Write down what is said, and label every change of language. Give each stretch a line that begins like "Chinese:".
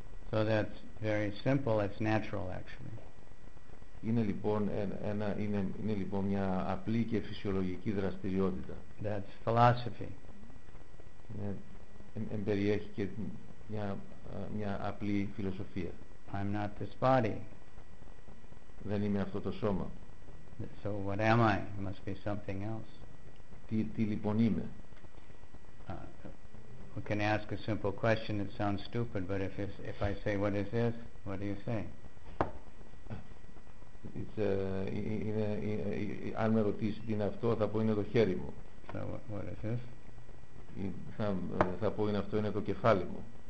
English: So that's very simple, it's natural actually.
Greek: Είναι λοιπόν μια απλή και φυσιολογική δραστηριότητα.
English: That's philosophy.
Greek: Εμπεριέχει και μια απλή φιλοσοφία.
English: I'm not this body.
Greek: Δεν είμαι αυτό το σώμα.
English: So what am I? It must be something else.
Greek: Τι λοιπόν είμαι?
English: We can ask a simple question. It sounds stupid, but if I say, "What is this?" What do you say? It's
Greek: αν με ρωτήσει τι είναι αυτό, θα πω είναι το χέρι μου.
English: So what is this?
Greek: Θα πω είναι αυτό, είναι το κεφάλι μου.